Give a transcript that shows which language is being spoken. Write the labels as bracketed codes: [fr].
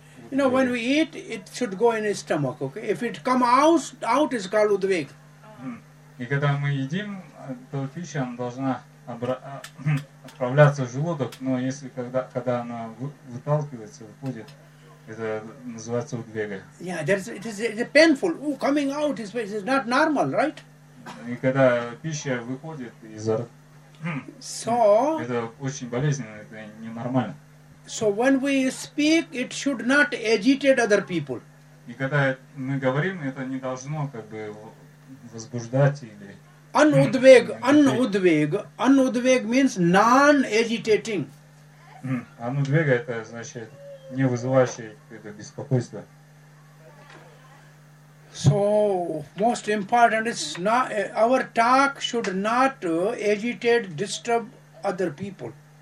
[en] You know, when we eat, it should go in the stomach, okay? If it come out, it's called Udvega. [ru] И когда мы едим, то пища должна отправляться в желудок, но если когда она выталкивается, выходит, это называется удвега. [en] Yeah, it is painful. Ooh, coming out is not normal, right? [ru] И когда пища выходит изо рта, это очень болезненно, это ненормально. [en] So when we speak, it should not agitate other people. [ru] И когда мы говорим, это не должно как бы возбуждать или... [en] Anudvega means non-agitating. [ru] Anudvega это значит не вызывающее это беспокойство. [en] So most important is not our talk should not agitate, disturb other people.